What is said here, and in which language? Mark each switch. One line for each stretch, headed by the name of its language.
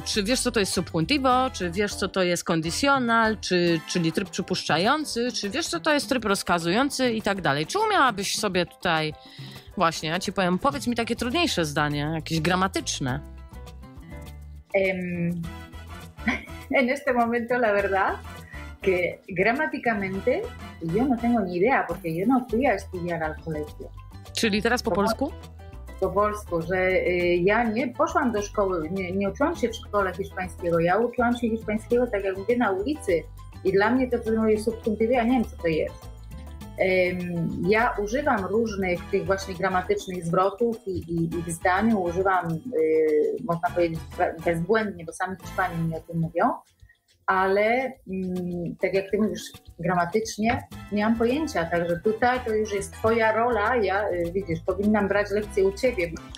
Polish: Czy wiesz, co to jest subjuntivo? Czy wiesz, co to jest kondicjonal? Czyli tryb przypuszczający? Czy wiesz, co to jest tryb rozkazujący? I tak dalej. Czy umiałabyś sobie tutaj właśnie, ja ci powiem, powiedz mi takie trudniejsze zdanie, jakieś gramatyczne.
Spanish: En este momento, la verdad, que gramaticamente yo no tengo ni idea, porque yo no fui a estudiar al colegio.
Polish: Czyli teraz po polsku? Po polsku, że ja nie poszłam do szkoły, nie uczyłam się w szkole hiszpańskiego, ja uczyłam się hiszpańskiego tak jak mówię na ulicy i dla mnie to jest subjuntywy, ja nie wiem co to jest. Ja używam różnych tych właśnie gramatycznych zwrotów i w zdaniu używam, można powiedzieć bezbłędnie, bo sami Hiszpanie mi o tym mówią, ale tak jak ty mówisz, gramatycznie nie mam pojęcia, także tutaj to już jest twoja rola, ja widzisz, powinnam brać lekcje u ciebie.